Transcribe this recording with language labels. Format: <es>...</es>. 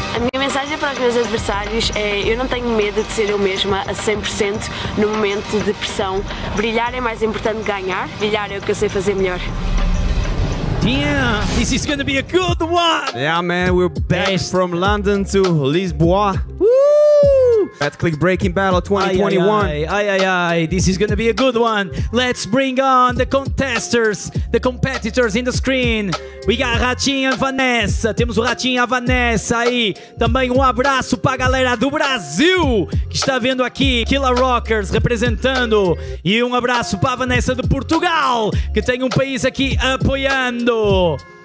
<pt>A mensagem para os meus adversários é: eu não tenho medo de ser eu mesma a 100% no momento de pressão. Brilhar é mais importante que ganhar. Brilhar é o que eu sei fazer melhor.</pt> <en>Damn, this is gonna be a good one! Yeah, man, we're back from London to Lisboa. Betclic Breaking Battle 2021. Ay, this is gonna be a good one. Let's bring on the contesters, the competitors in the screen. We got Ratinho and Vanessa.</en> <pt>Temos o Ratinho e a Vanessa aí. Também um abraço para a galera do Brasil que está vendo aqui. Killer Rockers representando. E um abraço para a Vanessa de Portugal, que tem um país aqui apoiando.</pt>